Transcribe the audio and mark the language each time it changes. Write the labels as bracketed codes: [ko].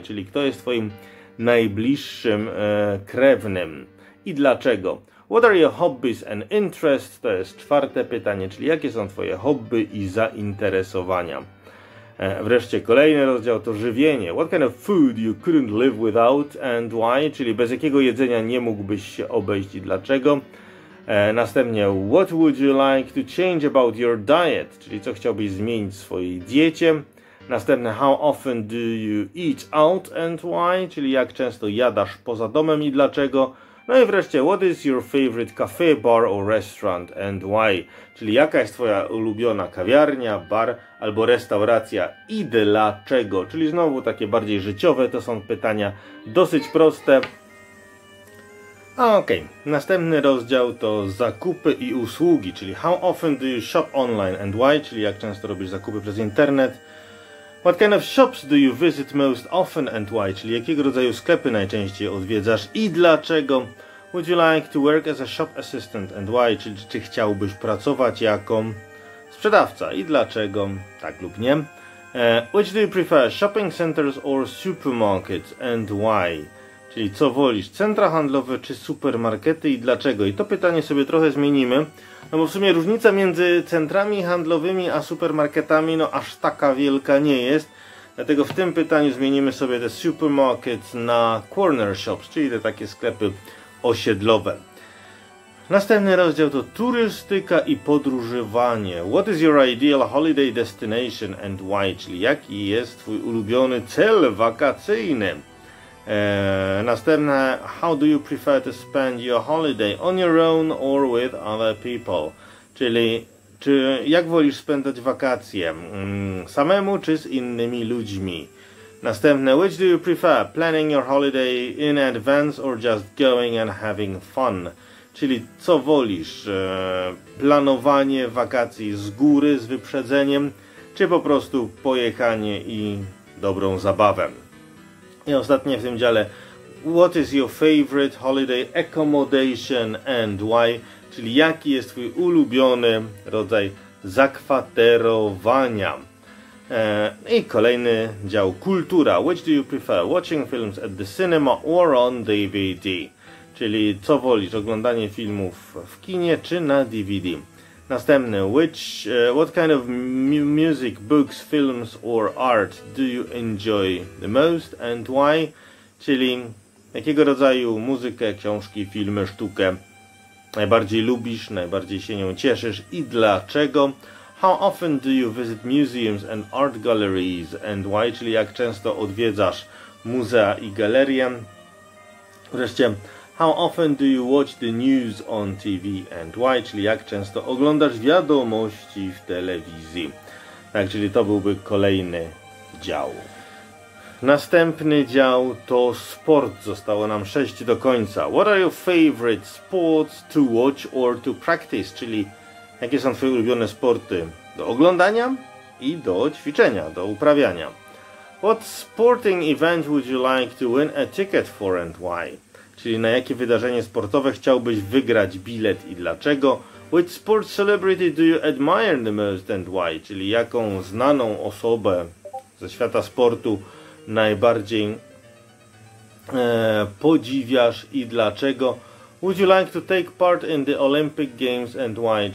[pl] Czyli kto jest twoim najbliższym krewnym i dlaczego? [en] What are your hobbies and interests? [pl] To jest czwarte pytanie, czyli jakie są twoje hobby i zainteresowania? Wreszcie kolejny rozdział to żywienie. [en] What kind of food you couldn't live without and why? [pl] Czyli bez jakiego jedzenia nie mógłbyś się obejść i dlaczego? Następnie, [en] what would you like to change about your diet? [pl] Czyli co chciałbyś zmienić w swojej diecie? Następne, [en] how often do you eat out and why? [pl] Czyli jak często jadasz poza domem i dlaczego? No i wreszcie, [en] what is your favorite cafe, bar or restaurant and why? [pl] Czyli jaka jest twoja ulubiona kawiarnia, bar albo restauracja i dlaczego? Czyli znowu takie bardziej życiowe to są pytania, dosyć proste. Okej, następny rozdział to zakupy i usługi, czyli [en] how often do you shop online and why? [pl] Czyli jak często robisz zakupy przez internet? [en] What kind of shops do you visit most often and why? [pl] Czyli jakiego rodzaju sklepy najczęściej odwiedzasz i dlaczego? [en] Would you like to work as a shop assistant and why? [pl] Czyli czy chciałbyś pracować jako sprzedawca i dlaczego? Tak lub nie. [en] Which do you prefer, shopping centers or supermarkets and why? [pl] Czyli co wolisz, centra handlowe czy supermarkety i dlaczego? I to pytanie sobie trochę zmienimy. No bo w sumie różnica między centrami handlowymi a supermarketami no aż taka wielka nie jest. Dlatego w tym pytaniu zmienimy sobie te supermarkets na corner shops, czyli te takie sklepy osiedlowe. Następny rozdział to turystyka i podróżowanie. [en] What is your ideal holiday destination and why? [pl] Czyli jaki jest twój ulubiony cel wakacyjny? Następne, [en] how do you prefer to spend your holiday, on your own or with other people? [pl] Czyli, czy jak wolisz spędzać wakacje, samemu czy z innymi ludźmi? Następne, [en] which do you prefer, planning your holiday in advance or just going and having fun? [pl] Czyli, co wolisz, planowanie wakacji z góry, z wyprzedzeniem, czy po prostu pojechanie i dobrą zabawę? I ostatnie w tym dziale, [en] what is your favorite holiday accommodation and why? [pl] Czyli jaki jest twój ulubiony rodzaj zakwaterowania? I kolejny dział, kultura. [en] Which do you prefer? Watching films at the cinema or on DVD? [pl] Czyli co wolisz, oglądanie filmów w kinie czy na DVD? Następny, [en] what kind of music, books, films or art do you enjoy the most and why? [pl] Czyli jakiego rodzaju muzykę, książki, filmy, sztukę najbardziej lubisz, najbardziej się nią cieszysz i dlaczego? [en] How often do you visit museums and art galleries and why? [pl] Czyli jak często odwiedzasz muzea i galerie? Wreszcie, [en] how often do you watch the news on TV and why? [pl] Czyli jak często oglądasz wiadomości w telewizji? Tak, czyli to byłby kolejny dział. Następny dział to sport. Zostało nam 6 do końca. [en] What are your favorite sports to watch or to practice? [pl] Czyli jakie są twoje ulubione sporty do oglądania i do ćwiczenia, do uprawiania? [en] What sporting event would you like to win a ticket for and why? [pl] Czyli na jakie wydarzenie sportowe chciałbyś wygrać bilet i dlaczego? [en] Which sports celebrity do you admire the most and why? [pl] Czyli jaką znaną osobę ze świata sportu najbardziej podziwiasz i dlaczego? [en] Would you like to take part in the Olympic Games and why?